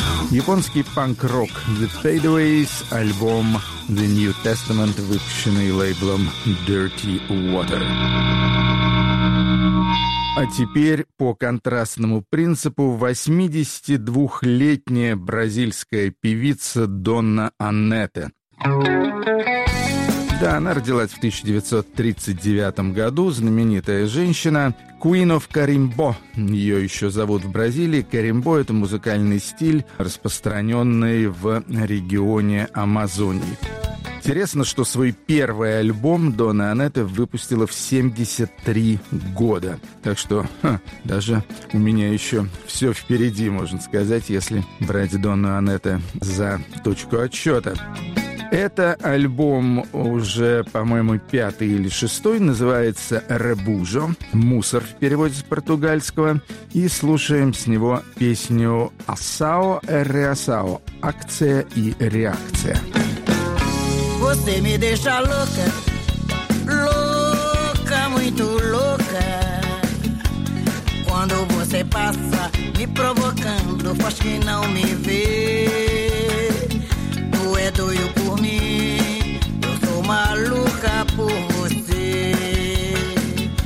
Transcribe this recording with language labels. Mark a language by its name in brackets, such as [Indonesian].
[Russian] Японский панк-рок The Fadeaways, альбом The New Testament, выпущенный лейблом Dirty Water. А теперь по контрастному принципу 82-летняя бразильская певица Донна Анетта. Да, она родилась в 1939 году, знаменитая женщина Queen of Carimbó. Ее еще зовут в Бразилии. Carimbó – это музыкальный стиль, распространенный в регионе Амазонии. Интересно, что свой первый альбом Донна Анетта выпустила в 73 года. Так что даже у меня еще все впереди, можно сказать, если брать Донну Анетту за точку отсчета. Это альбом уже, по-моему, пятый или шестой, называется «Ребужо», «Мусор» в переводе с португальского, и слушаем с него песню «Асао и Реасао» – «Акция и реакция». [Portuguese] Você me deixa louca, louca, muito louca. Quando você passa me provocando, faz que não me vê. Tu é doido por mim, eu sou maluca por você.